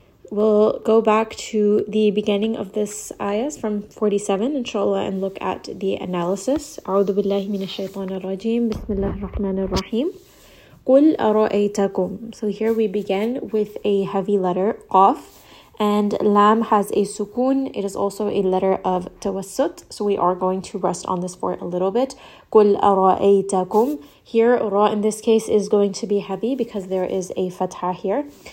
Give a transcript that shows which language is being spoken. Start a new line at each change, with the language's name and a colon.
English: We'll go back to the beginning of this ayah from 47, inshallah, and look at the analysis.
Arabic: أعوذ بالله من الشيطان الرجيم بسم الله الرحمن الرحيم قل أرأيتكم.
English: So here we begin with a heavy letter, قاف, and لام has a سكون. It is also a letter of توسط, so we are going to rest on this for a little bit.
Arabic: قل أرأيتكم.
English: Here, ra in this case is going to be heavy because there is a fatha here.